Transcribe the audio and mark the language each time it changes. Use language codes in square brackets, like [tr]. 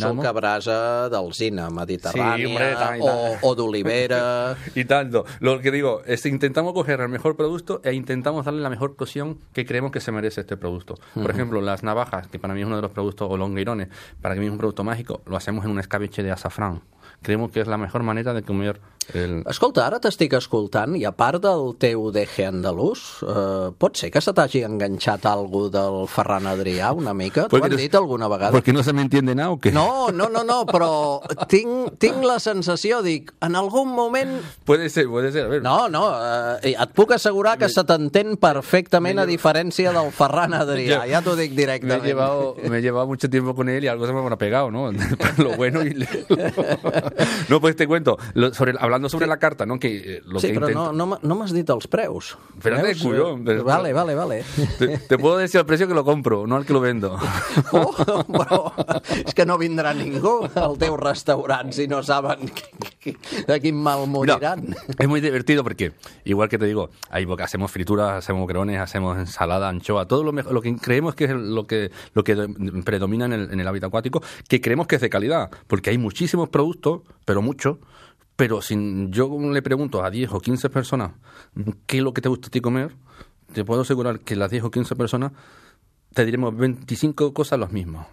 [es] Y supongo que [ca] brasa d'alzina [es] mediterránea [ca] o d'olivera. [es] Y tanto. Lo que digo es, intentamos coger el mejor producto e intentamos darle la mejor cocción que creemos que se merece este producto. Uh-huh. Por ejemplo, las navajas, que para mí es uno de los productos, o longueirones, para mí es un producto mágico, lo hacemos en un escabeche de azafrán. Creemos que es la mejor manera de comer el... [ca] Escolta, ara t'estic escoltant i a part del teu DG andalús, pot ser que se t'hagi enganxat algú del Ferran Adrià una mica? T'ho han dit alguna vegada? [es] Perquè no se m'entiende nada o què? [ca] No, però tinc la sensació, dic, en algun moment... [es] Puede ser, a ver. [ca] No, et puc assegurar que se t'entén perfectament a diferència del Ferran Adrià, ja t'ho dic directament. [es] Me he llevado mucho tiempo con él y algo se me ha pegado, ¿no? Lo bueno y... No, pues te cuento, hablando sobre la carta, ¿no? Que, lo sí, que pero intento... [ca] no m'has dit els preus. [es] Espérate, collón. Pero... Vale. Te puedo decir el precio que lo compro, no el que lo vendo. [ca] Oh, però és que no vindrà ningú al teu restaurant si no saben de quin mal moriran. [es] No, es muy divertido porque, igual que te digo, ahí porque hacemos frituras, hacemos macarrones, hacemos ensalada, anchoa, todo lo que creemos que es lo que predomina en el hábitat acuático, que creemos que es de calidad, porque hay muchísimos productos, pero muchos, pero si yo le pregunto a 10 o 15 personas qué es lo que te gusta a ti comer, te puedo asegurar que las 10 o 15 personas te diremos 25 cosas los mismos.